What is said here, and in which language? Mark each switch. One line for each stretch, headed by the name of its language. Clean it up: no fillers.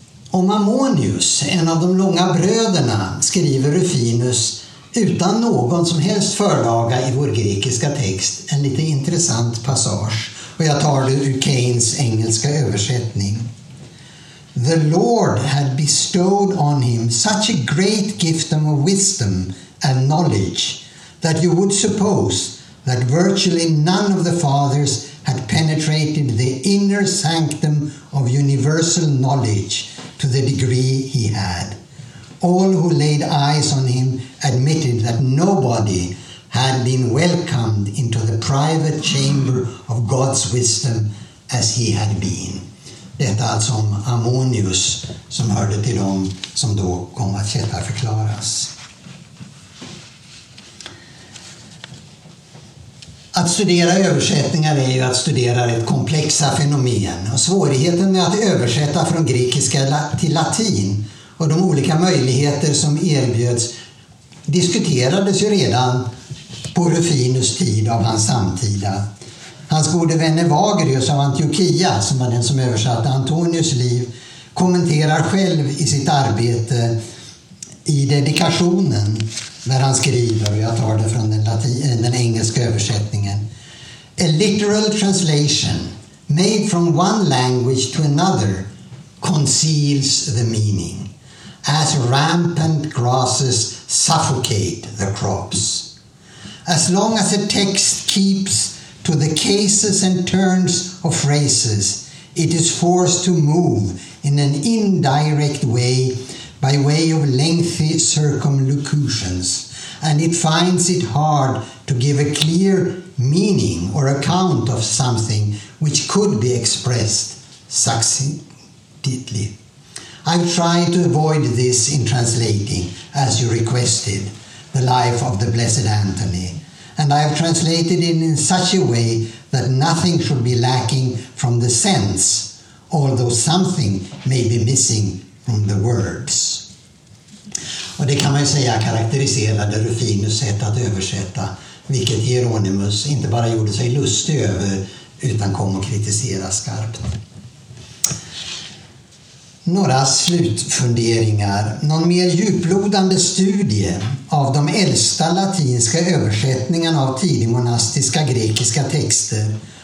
Swedish: Om Ammonius, en av de långa bröderna, skriver Rufinus utan någon som helst förlaga i vår grekiska text en lite intressant passage. Och jag tar det ur Keynes engelska översättning.
English: The Lord had bestowed on him such a great gift of wisdom and knowledge that you would suppose that virtually none of the fathers had penetrated the inner sanctum of universal knowledge to the degree he had. All who laid eyes on him admitted that nobody had been welcomed into the private chamber of God's wisdom as he had been.
Swedish: Detta alltså om Ammonius, som hörde till dem som då kom att sätta förklaras. Att studera översättningar är ju att studera ett komplexa fenomen, och svårigheten med att översätta från grekiska till latin och de olika möjligheter som erbjöds diskuterades ju redan på Rufinus tid av hans samtida. Hans gode vän Evagrius av Antiochia, som var den som översatte Antonius liv, kommenterar själv i sitt arbete i dedikationen, när han skriver, och jag tar det från den engelska översättningen:
English: a literal translation made from one language to another conceals the meaning, as rampant grasses suffocate the crops. As long as a text keeps to the cases and turns of phrases, it is forced to move in an indirect way by way of lengthy circumlocutions, and it finds it hard to give a clear meaning or account of something which could be expressed succinctly. I've tried to avoid this in translating, as you requested, the life of the Blessed Anthony, and I have translated it in such a way that nothing should be lacking from the sense, although something may be missing from the words.
Swedish: Och det kan man ju säga karaktäriserade Rufinus sätt att översätta, vilket Hieronymus inte bara gjorde sig lustig över utan kom att kritisera skarpt. Några slutfunderingar. Någon mer djuplodande studie av de äldsta latinska översättningarna av tidigmonastiska grekiska texter